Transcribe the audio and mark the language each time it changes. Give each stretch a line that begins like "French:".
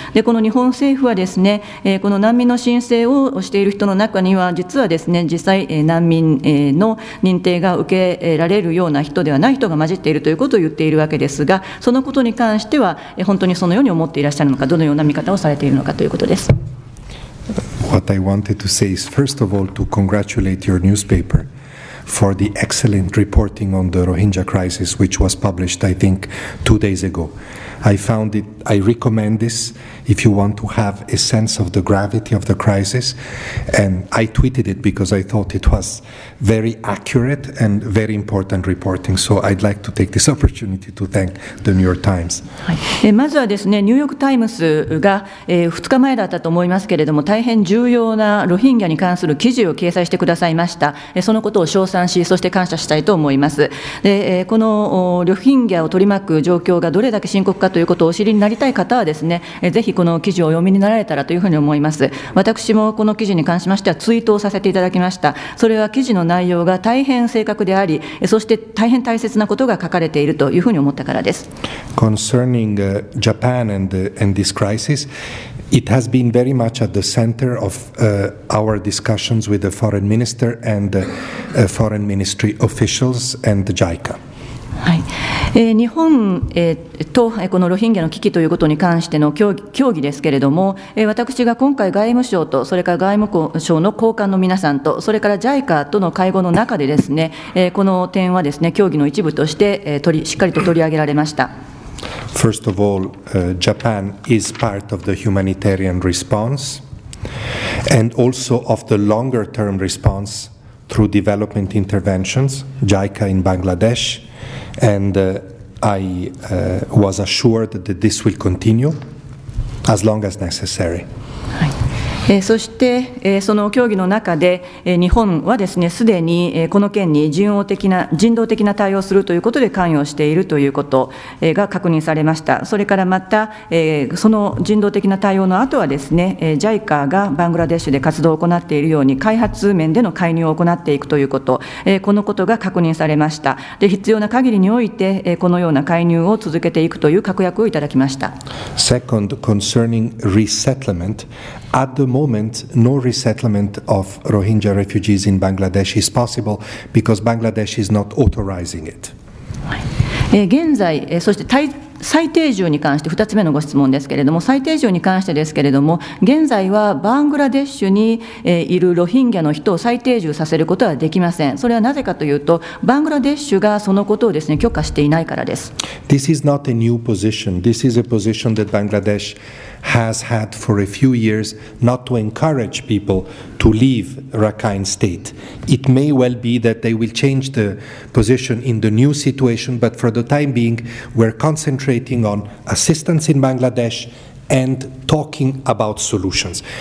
Japanese: で、この日本政府はですね、この難民の申請をしている人の中には、実はですね、実際難民の認定が受けられるような人ではない人が混じっているということを言っているわけですが、そのことに関しては本当にそのように思っていらっしゃるのか、どのような見方をされているのかということです。
English: What I wanted to say is, first of all, to congratulate your newspaper for the excellent reporting on the Rohingya crisis, which was published, I think, 2 days ago. I recommend this if you want to have a sense of the gravity of the crisis. And I tweeted it because I thought it was very accurate and very important reporting. So I'd like to take this opportunity to thank the New York Times.
Japanese: まずはですね、ニューヨークタイムズが2日前だったと思いますけれども、大変重要なロヒンギャに関する記事を掲載してくださいました。そのことを称賛し、そして感謝したいと思います。で、このロヒンギャを取り巻く状況がどれだけ深刻かということをお知りになりたい方はですね、ぜひこの記事を読みになられたらというふうに思います。私もこの記事に関しましてはツイートをさせていただきました。それは記事の内容が大変正確であり、そして大変大切なことが書かれているというふうに思ったからです。
English: Concerning Japan and this crisis, it has been very much at the center of our discussions with the foreign minister and foreign ministry officials and the JICA.
Japanese: はい、日本、とこのロヒンギャの危機ということに関しての協議ですけれども、私が今回外務省と、それから外務省の高官の皆さんと、それから JICA との会合の中でですね、この点はですね、協議の一部として、しっかりと取り上げられました。
English: First of all, Japan is part of the humanitarian response and also of the longer term response through development interventions, JICA in Bangladesh. And I was assured that this will continue as long as necessary.
Japanese: そして、その協議の中で、日本はですね、すでに、この件に人道的な対応するということで関与しているということ、が確認されました。それからまた、その人道的な対応の後はですね、JICA がバングラデシュで活動を行っているように、開発面での介入を行っていくということ、このことが確認されました。で、必要な限りにおいて、このような介入を続けていくという確約をいただきました。
English: Second, concerning resettlement, at the moment moment, no resettlement of Rohingya refugees in Bangladesh is possible because Bangladesh is not authorizing it.
Japanese: 現在、そして再定住に関して2つ目のご質問ですけれども、再定住に関してですけれども、現在はバングラデシュにいるロヒンギャの人を再定住させることはできません。それはなぜかというと、バングラデシュがそのことをですね、許可していないからです。
English: This is not a new position. This is a position that Bangladesh has had for a few years, not to encourage people to leave Rakhine State. It may well be that they will change the position in the new situation, but for the time being, we're concentrating on assistance in Bangladesh and talking about solutions.